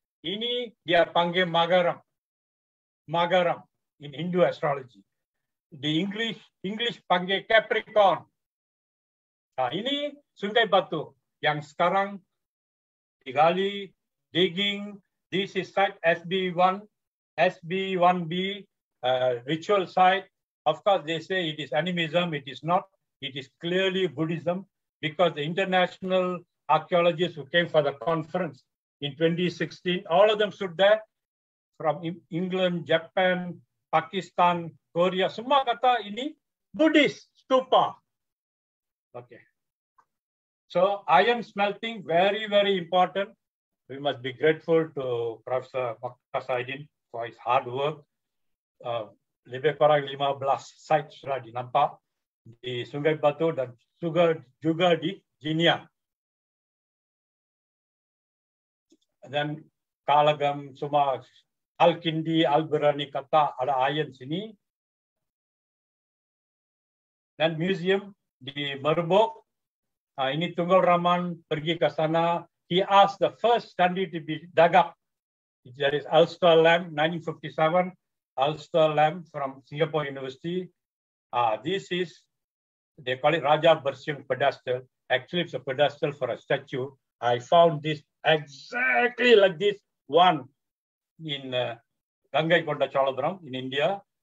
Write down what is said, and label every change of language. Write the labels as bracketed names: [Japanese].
[Malay] Ini dia panggil Magaram. Magaram [English] in Hindu astrology. The English [Malay] panggil [English] Capricorn. [Malay] Nah, ini Sungai Batu yang sekarang digali, [English] digging. This is site SB1, SB1B ritual site. Of course, they say it is animism. It is not. It is clearly Buddhism, because the international archaeologists who came for the conference in 2016, all of them stood there from England, Japan, Pakistan, Korea. [Malay] Semua kata ini Buddhist stupa. Okay. [English] So iron smelting, very, very important. We must be grateful to Professor Mokhtar Saidin for his hard work. [Malay] Lebih kurang 15 site sudah dinampak di Sungai Batu dan juga di Jinia. Dan Kalagam, semua Al-Kindi, Al-Birani kata ada iron sini. Dan museum di Merbok. Ini Tunggal Rahman pergi ke sana. [English] He asked the first candi to be dug up. That is Ulster lamb, 1957. Ulster lamb from Singapore University. This is, they call it Raja Bersiung pedestal. Actually, it's a pedestal for a statue. I found this exactly like this one in Gangaikonda Chalabram in India.